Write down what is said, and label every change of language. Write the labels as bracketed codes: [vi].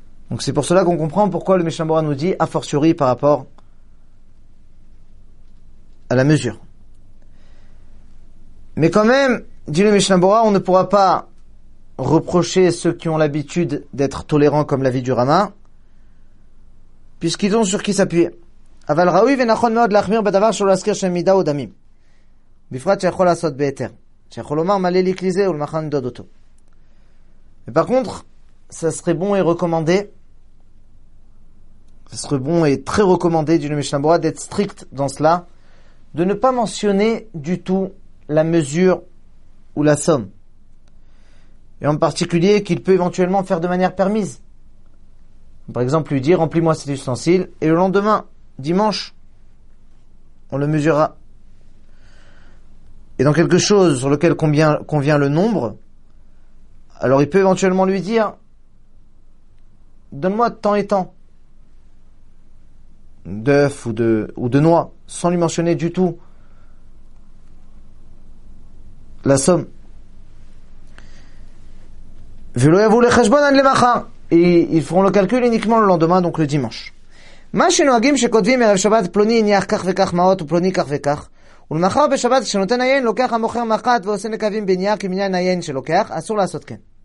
[fr] Donc c'est pour cela qu'on comprend pourquoi le Mishnah Berurah nous dit a fortiori par rapport à la mesure. Mais quand même, dit le Mishnah Berurah, on ne pourra pas reprocher ceux qui ont l'habitude d'être tolérants comme l'avis du Rama, puisqu'ils ont sur qui s'appuyer. [he] אבל ראוי ונכון מאוד להחמיר בדבר שלא להזכיר שם מידה או דמים, בפרט שיכול לעשות ביתר, שיכול לומר מלא לי כלי זה ולמחר נדוד אותו. [fr] Et par contre, ça serait bon et recommandé, ça serait bon et très recommandé d'une Mishnah Berurah d'être strict dans cela, de ne pas mentionner du tout la mesure ou la somme. Et en particulier qu'il peut éventuellement faire de manière permise. Par exemple, lui dire remplis-moi cet ustensile et le lendemain, dimanche, on le mesurera. Et dans quelque chose sur lequel convient le nombre, alors il peut éventuellement lui dire « Donne-moi tant et tant d'œufs ou de noix » sans lui mentionner du tout la somme. « [he] Velo yavou le chashbon an le machar [fr] » et ils feront le calcul uniquement le lendemain, donc le dimanche. [he] מה שנוהגים שכותבים ערב שבת פלוני הניח כך וכך מאות ופלוני כך וכך ולמחר בשבת כשנותן עיין לוקח המוכר מחת ועושה נקבים בנייר כמניין עיין שלוקח אסור לעשות כן.